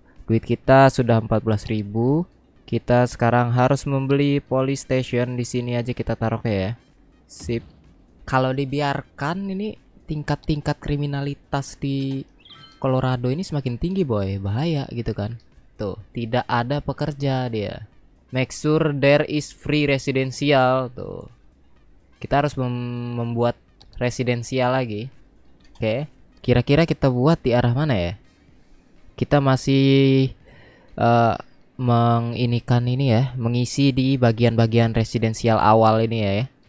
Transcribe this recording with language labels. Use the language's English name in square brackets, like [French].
[Indonesian] Duit kita sudah 14.000. Kita sekarang harus membeli police station di sini aja, kita taruh ya. Sip. Kalau dibiarkan ini tingkat-tingkat kriminalitas di Colorado ini semakin tinggi, boy. Bahaya gitu kan. Tuh, tidak ada pekerja dia. [English] Make sure there is free residential tuh. [Indonesian] Kita harus membuat residensial lagi. Oke. Kira-kira kita buat di arah mana ya? Kita masih menginikan ini ya, mengisi di bagian-bagian residensial awal ini ya.